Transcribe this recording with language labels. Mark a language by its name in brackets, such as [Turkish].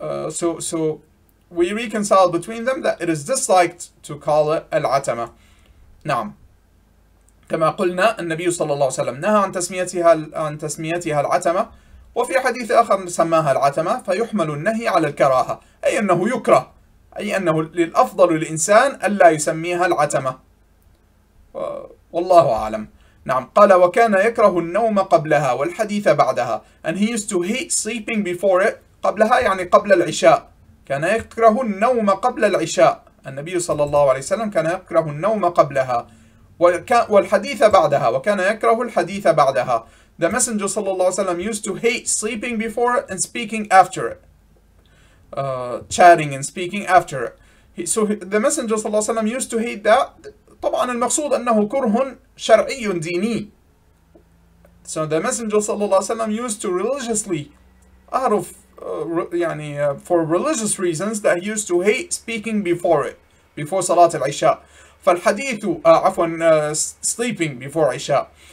[English] So we reconcile between them that it is disliked to call it Al-Atama. [Arabic] نعم. كما قلنا النبي صلى الله عليه وسلم نهى عن تسميتها العتمة وفي حديث آخر سماها العتمة فيحمل النهي على الكراهة أي أنه يكره أي أنه للأفضل للإنسان ألا يسميها العتمة والله أعلم. نعم قال وكان يكره النوم قبلها والحديث بعدها. [English] And he used to hate sleeping before it. [Arabic] قبلها يعني قبل العشاء. كان يكره النوم قبل العشاء. النبي صلى الله عليه وسلم كان يكره النوم قبلها والحديث بعدها. وكان يكره الحديث بعدها. [English] The Messenger [Arabic] صلى الله عليه وسلم [English] used to hate sleeping before it and speaking after it. Chatting and speaking after it. So the Messenger [Arabic] صلى الله عليه وسلم [English] used to hate that. [Arabic] طبعا المقصود أنه كره شرعي ديني. [English] So the Messenger [Arabic] صلى الله عليه وسلم [English] used to religiously [Arabic] أعرف يعني [English] for religious reasons that he used to hate speaking before it, before صلاة العشاء. [Arabic] فالحديث عفوا [English] sleeping before [Arabic] عشاء.